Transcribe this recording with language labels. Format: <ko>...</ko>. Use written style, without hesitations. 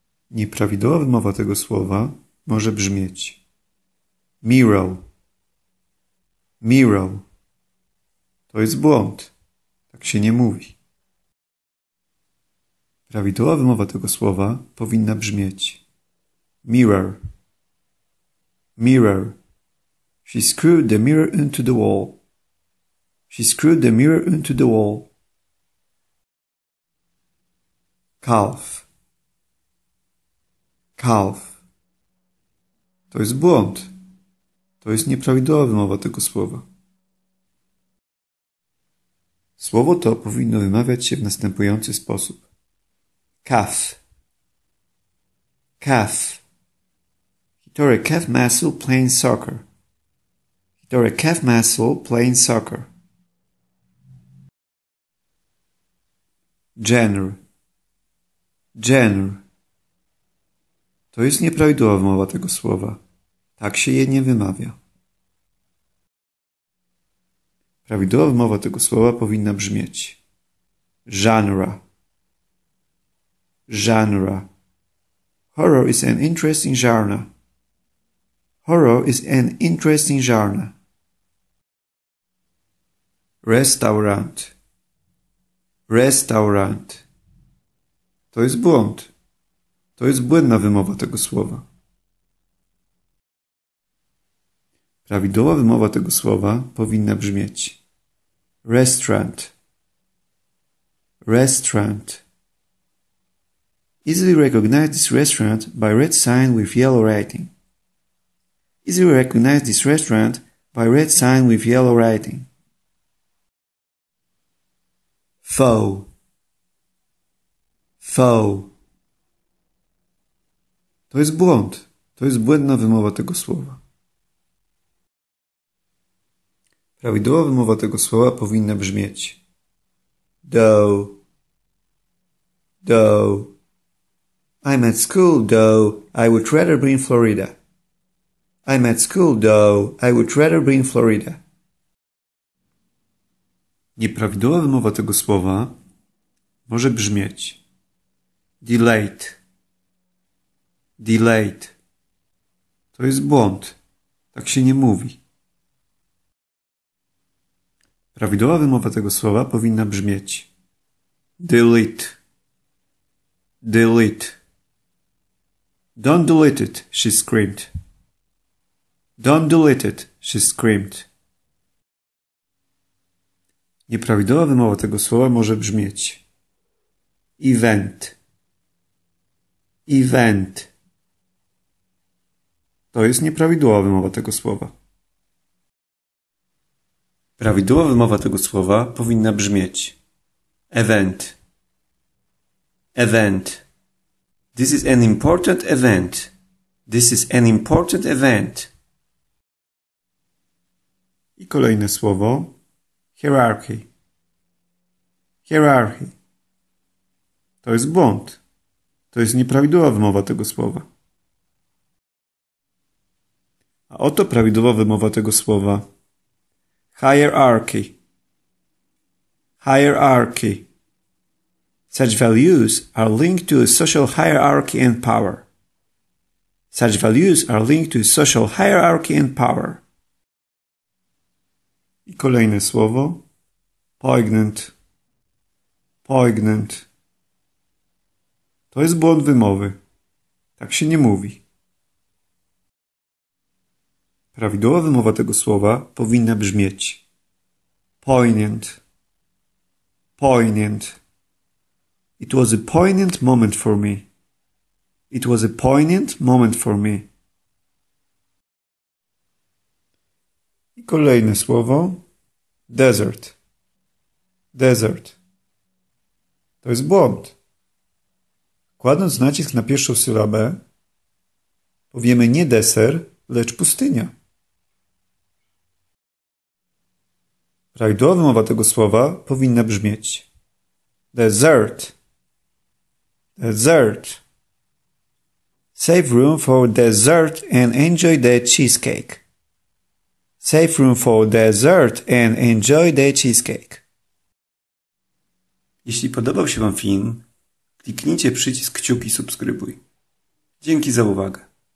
<pl>Nieprawidłowa wymowa tego słowa może brzmieć mirror. Mirror. To jest błąd. Tak się nie mówi. Prawidłowa wymowa tego słowa powinna brzmieć mirror.</pl> <en>Mirror. She screwed the mirror into the wall. She screwed the mirror into the wall. Calf.</en> <pl>Calf. To jest błąd. To jest nieprawidłowa wymowa tego słowa. Słowo to powinno wymawiać się w następujący sposób.</pl> <en>Calf. Calf. He tore a calf muscle playing soccer. Tore a calf muscle playing soccer. Gender. Gender.</en> <pl>To jest nieprawidłowa wymowa tego słowa. Tak się je nie wymawia. Prawidłowa wymowa tego słowa powinna brzmieć.</pl> <en>Genre. Genre. Horror is an interesting genre. Horror is an interesting genre.</en> <pl>Restaurant. Restaurant. To jest błąd. To jest błędna wymowa tego słowa. Prawidłowa wymowa tego słowa powinna brzmieć restaurant.</pl> <en>Restaurant. Easily recognize this restaurant by red sign with yellow writing. Easily recognize this restaurant by red sign with yellow writing. Foe. Foe.</en> <pl>To jest błąd. To jest błędna wymowa tego słowa. Prawidłowa wymowa tego słowa powinna brzmieć doe.</pl> <en>Doe. I'm at school, doe. I would rather be in Florida. I'm at school, doe. I would rather be in Florida.</en> <pl>Nieprawidłowa wymowa tego słowa może brzmieć delayed. Delayed. To jest błąd. Tak się nie mówi. Prawidłowa wymowa tego słowa powinna brzmieć delete.</pl> <en>Delete. Don't delete it, she screamed. Don't delete it, she screamed.</en> <pl>Nieprawidłowa wymowa tego słowa może brzmieć event. Event. To jest nieprawidłowa wymowa tego słowa. Prawidłowa wymowa tego słowa powinna brzmieć event.</pl> <en>Event. This is an important event. This is an important event.</en> <pl>I kolejne słowo. Hierarchy. Hierarchy. To jest błąd. To jest nieprawidłowa wymowa tego słowa. A oto prawidłowa wymowa tego słowa.</pl> <en>Hierarchy. Hierarchy. Such values are linked to a social hierarchy and power. Such values are linked to a social hierarchy and power.</en> <pl>kolejne słowo. Poignant. Poignant. To jest błąd wymowy. Tak się nie mówi. Prawidłowa wymowa tego słowa powinna brzmieć.</pl> <en>Poignant. Poignant. It was a poignant moment for me. It was a poignant moment for me.</en> <pl>I kolejne słowo. Desert. Desert. To jest błąd. Kładąc nacisk na pierwszą sylabę, powiemy nie deser, lecz pustynia. Prawidłowa wymowa tego słowa powinna brzmieć.</pl> <en>Desert. Desert. Save room for dessert and enjoy the cheesecake. Save room for dessert and enjoy the cheesecake.</en> <pl>Jeśli podobał się Wam film, kliknijcie przycisk kciuki subskrybuj. Dzięki za uwagę.</pl>